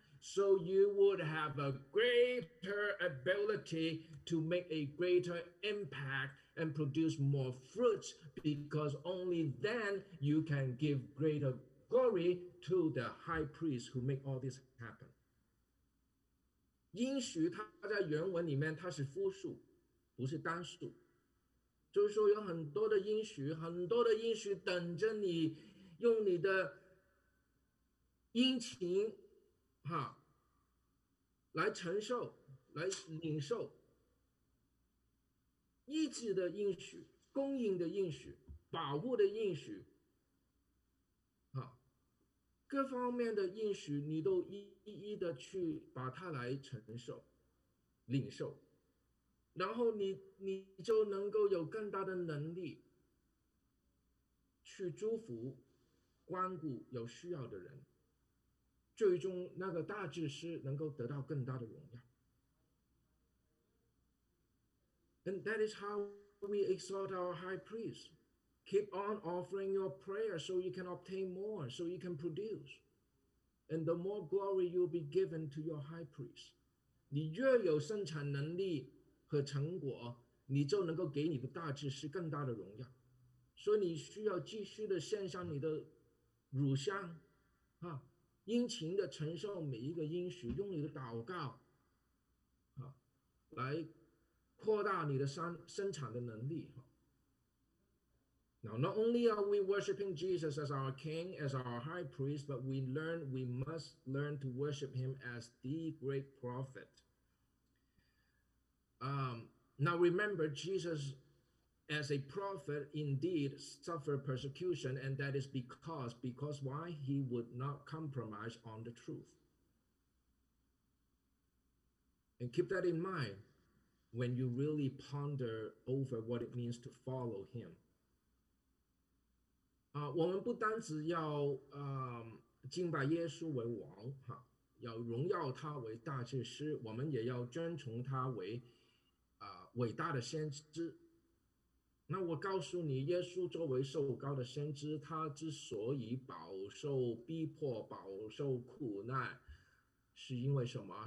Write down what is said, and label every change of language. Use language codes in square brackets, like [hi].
[en] So you would have a greater ability to make a greater impact and produce more fruits, because only then you can give greater glory to the high priest who make all this happen. [zh] 应许它在原文里面它是复数，不是单数，就是说有很多的应许，很多的应许等着你用你的殷勤哈来承受，来领受，医治的应许，供应的应许，保护的应许，各方面的应许，你都一的去把它来承受、领受，然后你就能够有更大的能力去祝福、关顾有需要的人。最终那个大祭司能够得到更大的荣耀。 [en] And that is how we exhort our high priest. Keep on offering your prayer so you can obtain more, so you can produce. And the more glory you'll be given to your high priest. [zh] 你越有生产能力和成果，你就能够给你的大祭司更大的荣耀。所以你需要继续的献上你的乳香啊，殷勤的承受每一个应许，用你的祷告，啊，来扩大你的生产的能力。 [en] Now, not only are we worshiping Jesus as our King, as our High Priest, but we must learn to worship Him as the Great Prophet. Now, remember, Jesus, as a prophet, indeed suffered persecution, and that is because why? He would not compromise on the truth. And keep that in mind when you really ponder over what it means to follow him. [zh] 我们不单只要敬拜耶稣为王，要荣耀他为大祭司，我们也要尊崇他为伟大的先知。那我告诉你，耶稣作为受膏的先知，他之所以饱受逼迫、饱受苦难，是因为什么？